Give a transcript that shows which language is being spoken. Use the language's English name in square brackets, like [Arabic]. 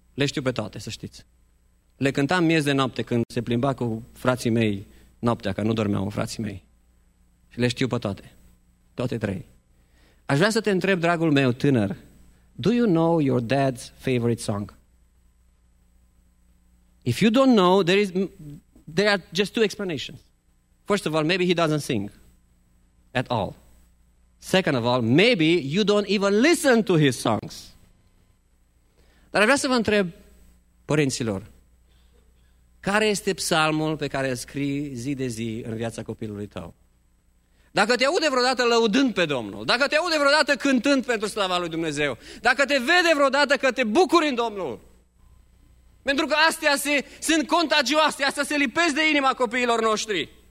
[Romanian] Le știu pe toate, să știți. Le cântam miez de noapte când se plimba cu frații mei noaptea, că nu dormeau frații mei. Și le știu pe toate. Toate trei. Aș vrea să te întreb, dragul meu, tânăr, [English] do you know your dad's favorite song? If you don't know, there are just two explanations. First of all, maybe he doesn't sing at all. Second of all, maybe you don't even listen to his songs. [Romanian] Dar vreau să vă întreb, părinților, care este psalmul pe care îl scrii zi de zi în viața copilului tău? Dacă te aude vreodată lăudând pe Domnul, dacă te aude vreodată cântând pentru slava lui Dumnezeu, dacă te vede vreodată că te bucuri în Domnul, pentru că astea sunt contagioase, astea se lipesc de inima copiilor noștri.